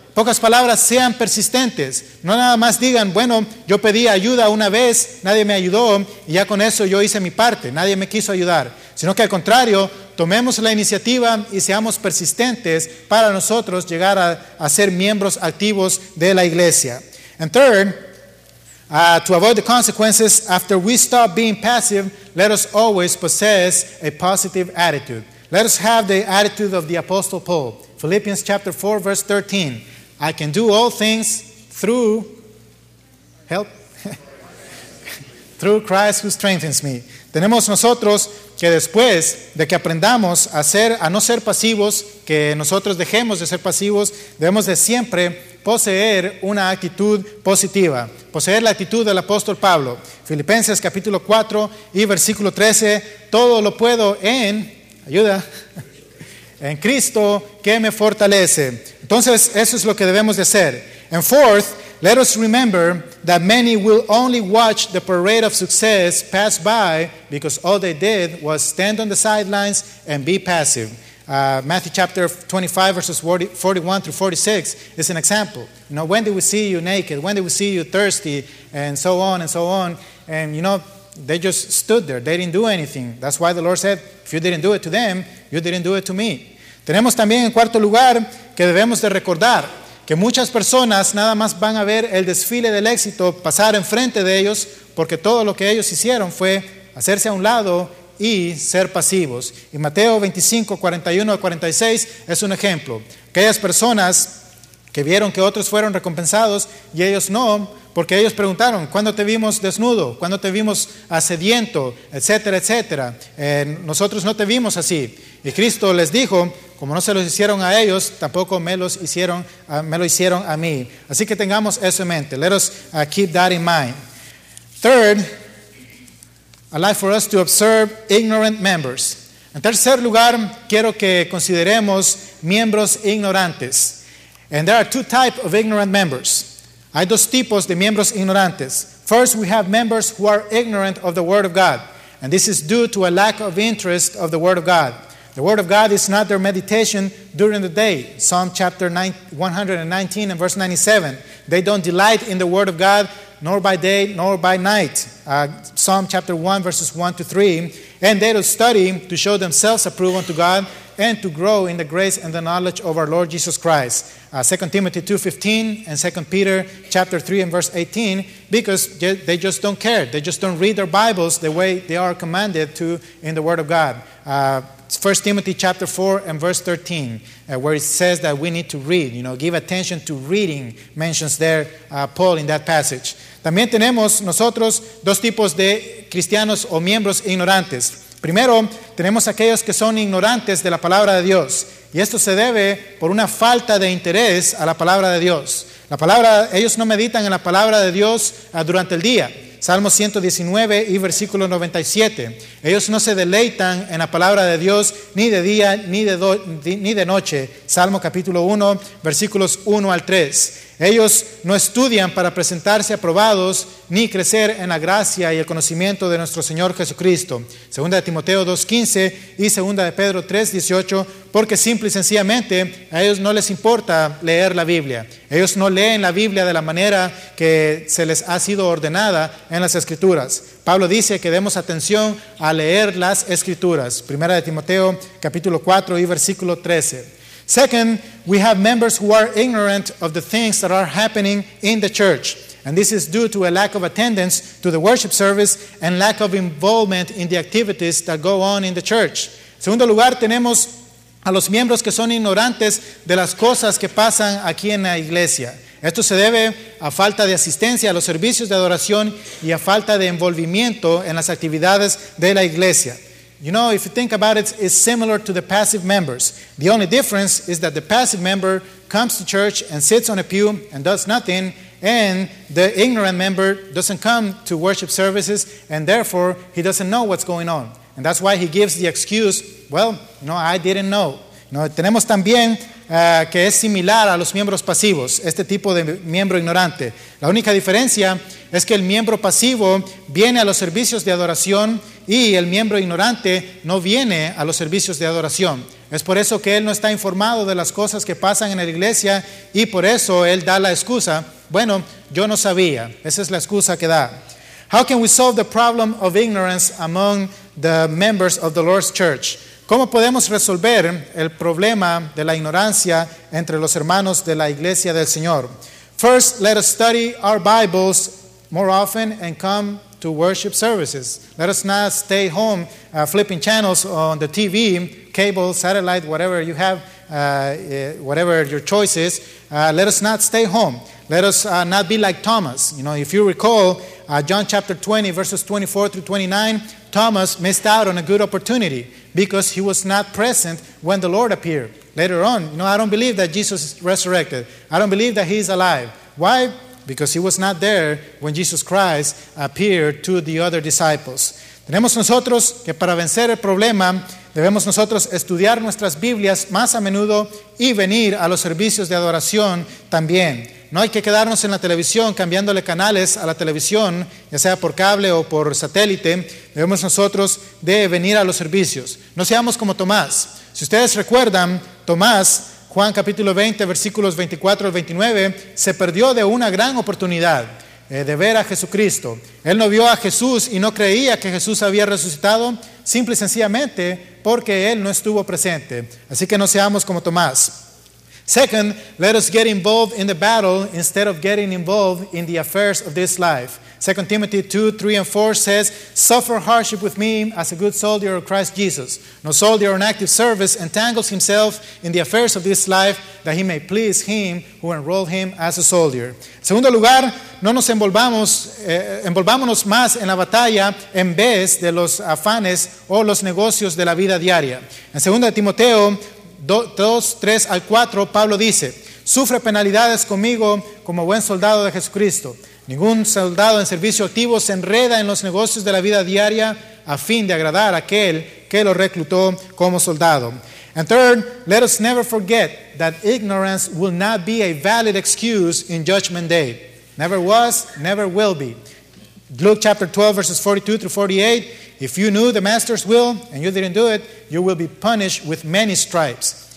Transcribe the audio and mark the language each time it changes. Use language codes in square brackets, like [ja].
[es] Pocas palabras, sean persistentes. No nada más digan, bueno, yo pedí ayuda una vez, nadie me ayudó y ya con eso yo hice mi parte, nadie me quiso ayudar. Sino que al contrario, tomemos la iniciativa y seamos persistentes para nosotros llegar a ser miembros activos de la iglesia. [en] And third, to avoid the consequences, after we stop being passive, let us always possess a positive attitude. Let us have the attitude of the Apostle Paul. Philippians chapter 4, verse 13. I can do all things through, help, through Christ who strengthens me. [es] Tenemos nosotros que después de que aprendamos a no ser pasivos, que nosotros dejemos de ser pasivos, debemos de siempre poseer una actitud positiva, poseer la actitud del apóstol Pablo. Filipenses capítulo 4 y versículo 13, todo lo puedo en, ayuda, en Cristo que me fortalece. Entonces, eso es lo que debemos de hacer. [en] And fourth, let us remember that many will only watch the parade of success pass by because all they did was stand on the sidelines and be passive. Matthew chapter 25 verses 41 through 46 is an example. You know, when did we see you naked? When did we see you thirsty? And so on and so on. And you know, they just stood there. They didn't do anything. That's why the Lord said, if you didn't do it to them, you didn't do it to me. [es] Tenemos también en cuarto lugar que debemos de recordar que muchas personas nada más van a ver el desfile del éxito pasar enfrente de ellos porque todo lo que ellos hicieron fue hacerse a un lado y ser pasivos. Y Mateo 25, 41 a 46 es un ejemplo. Aquellas personas que vieron que otros fueron recompensados y ellos no, porque ellos preguntaron, ¿cuándo te vimos desnudo? ¿Cuándo te vimos sediento? Etcétera, etcétera. Nosotros no te vimos así. Y Cristo les dijo, como no se los hicieron a ellos, tampoco me lo hicieron a mí. Así que tengamos eso en mente. [en] Let us keep that in mind. Third, a life for us to observe ignorant members. [es] En tercer lugar, quiero que consideremos miembros ignorantes. [en] And there are two types of ignorant members. [es] Hay dos tipos de miembros ignorantes. [en] First, we have members who are ignorant of the Word of God. And this is due to a lack of interest of the Word of God. The Word of God is not their meditation during the day. Psalm chapter 119 and verse 97. They don't delight in the Word of God, nor by day, nor by night. Psalm chapter 1, verses 1 to 3. And they don't study to show themselves approved unto God and to grow in the grace and the knowledge of our Lord Jesus Christ. 2 Timothy 2:15 and 2 Peter chapter 3 and verse 18, because they just don't care. They just don't read their Bibles the way they are commanded to in the Word of God. 1 Timothy chapter 4 and verse 13, where it says that we need to read, you know, give attention to reading, mentions there Paul in that passage. [es] También tenemos nosotros dos tipos de cristianos o miembros ignorantes. Primero, tenemos aquellos que son ignorantes de la palabra de Dios. Y esto se debe por una falta de interés a la palabra de Dios. Ellos no meditan en la palabra de Dios durante el día. Salmo 119 y versículo 97. Ellos no se deleitan en la palabra de Dios ni de día ni de noche. Salmo capítulo 1, versículos 1 al 3. Ellos no estudian para presentarse aprobados ni crecer en la gracia y el conocimiento de nuestro Señor Jesucristo. 2 Timoteo 2:15 y 2 Pedro 3:18, porque simple y sencillamente a ellos no les importa leer la Biblia. Ellos no leen la Biblia de la manera que se les ha sido ordenada en las Escrituras. Pablo dice que demos atención a leer las Escrituras. 1 Timoteo capítulo 4 y versículo 13. [en] Second, we have members who are ignorant of the things that are happening in the church. And this is due to a lack of attendance to the worship service and lack of involvement in the activities that go on in the church. [es] En segundo lugar, tenemos a los miembros que son ignorantes de las cosas que pasan aquí en la iglesia. Esto se debe a falta de asistencia a los servicios de adoración y a falta de envolvimiento en las actividades de la iglesia. [en] You know, if you think about it, it's similar to the passive members. The only difference is that the passive member comes to church and sits on a pew and does nothing, and the ignorant member doesn't come to worship services, and therefore he doesn't know what's going on. And that's why he gives the excuse, well, you know, I didn't know. [es] No, tenemos también que es similar a los miembros pasivos, este tipo de miembro ignorante. La única diferencia es que el miembro pasivo viene a los servicios de adoración y el miembro ignorante no viene a los servicios de adoración. Es por eso que él no está informado de las cosas que pasan en la iglesia y por eso él da la excusa, bueno, yo no sabía. Esa es la excusa que da. [en] How can we solve the problem of ignorance among the members of the Lord's church? [es] ¿Cómo podemos resolver el problema de la ignorancia entre los hermanos de la iglesia del Señor? [en] First, let us study our Bibles more often and come to worship services. Let us not stay home flipping channels on the TV, cable, satellite, whatever you have, whatever your choice is. Let us not stay home. Let us not be like Thomas. You know, if you recall, John chapter 20, verses 24 through 29, Thomas missed out on a good opportunity because he was not present when the Lord appeared. Later on, you know, I don't believe that Jesus is resurrected. I don't believe that he is alive. Why? Because he was not there when Jesus Christ appeared to the other disciples. [es] Tenemos nosotros que para vencer el problema, debemos nosotros estudiar nuestras Biblias más a menudo y venir a los servicios de adoración también. No hay que quedarnos en la televisión cambiándole canales a la televisión, ya sea por cable o por satélite. Debemos nosotros de venir a los servicios. No seamos como Tomás. Si ustedes recuerdan, Tomás, Juan capítulo 20, versículos 24 al 29, se perdió de una gran oportunidad de ver a Jesucristo. Él no vio a Jesús y no creía que Jesús había resucitado, simple y sencillamente porque él no estuvo presente. Así que no seamos como Tomás. [en] Second, let us get involved in the battle instead of getting involved in the affairs of this life. 2 Timothy 2, 3 and 4 says, suffer hardship with me as a good soldier of Christ Jesus. No soldier on active service entangles himself in the affairs of this life that he may please him who enrolled him as a soldier. [es] En segundo lugar, no nos envolvámonos más en la batalla en vez de los afanes o los negocios de la vida diaria. En 2 Timoteo 2, 3 al 4, Pablo dice, sufre penalidades conmigo como buen soldado de Jesucristo. Ningún soldado en servicio activo se enreda en los negocios de la vida diaria a fin de agradar a aquel que lo reclutó como soldado. [en] And third, let us never forget that ignorance will not be a valid excuse in Judgment Day. Never was, never will be. Luke chapter 12, verses 42 through 48, if you knew the master's will and you didn't do it, you will be punished with many stripes.